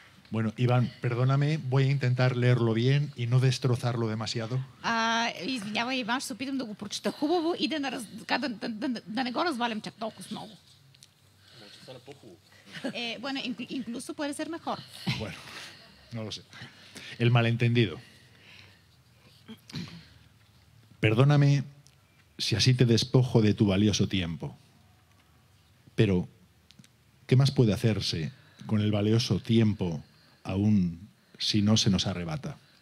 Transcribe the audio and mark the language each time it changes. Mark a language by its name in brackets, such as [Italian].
[Spanish] Bueno, Iván, perdóname, voy a intentar leerlo bien y no destrozarlo demasiado. [Bulgarian] Извинявай, Иван, ще опитам да го прочета хубаво и да не го развалям чак толкова много. Може да стане по-хубаво. [Spanish] Bueno, incluso puede ser mejor. Bueno, no lo sé. El malentendido. Perdóname si así te despojo de tu valioso tiempo. Pero, ¿qué más puede hacerse con el valioso tiempo aún si no se nos arrebata?